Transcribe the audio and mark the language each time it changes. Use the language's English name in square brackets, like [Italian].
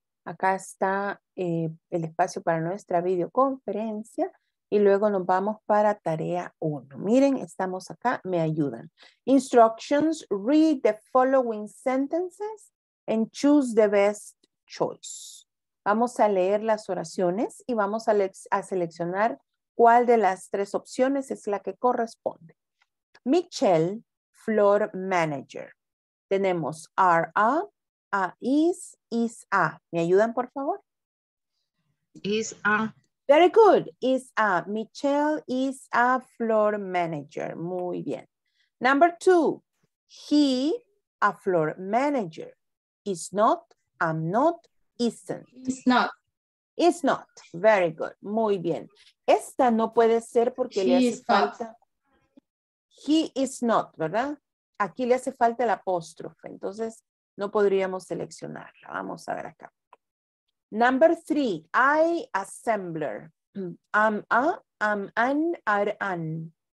[Spanish] Acá está el espacio para nuestra videoconferencia y luego nos vamos para tarea 1. Miren, estamos acá, me ayudan. [English] Instructions, read the following sentences and choose the best choice. [Spanish] Vamos a leer las oraciones y vamos a seleccionar cuál de las tres opciones es la que corresponde. Michelle, floor manager. Tenemos [English] are a, is a. [Spanish] ¿Me ayudan, por favor? [English] Is a Very good. Is a. Michelle is a floor manager. [Spanish] Muy bien. [English] Number two. He, a floor manager. Is not, I'm not, isn't. It's not. Is not. Very good. [Spanish] Muy bien. Esta no puede ser porque le [English] She [Spanish] hace [English] is not. [Spanish] falta. [English] He is not, ¿verdad? [Spanish] Aquí le hace falta el apóstrofe, entonces no podríamos seleccionarla. Vamos a ver acá. [English] Number three, I assembler. I'm an, are an.